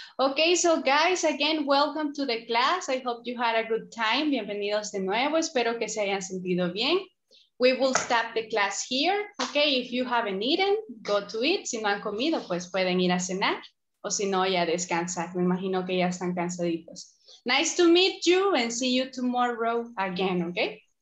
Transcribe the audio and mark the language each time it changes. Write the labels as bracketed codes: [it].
[en] Ok, so guys, again, welcome to the class. I hope you had a good time. [es] Bienvenidos de nuevo. Espero que se hayan sentido bien. [en] We will stop the class here. Ok, if you haven't eaten, go to eat. [es] Si no han comido, pues pueden ir a cenar. O si no, ya descansar. Me imagino que ya están cansaditos. [en] Nice to meet you and see you tomorrow again, okay?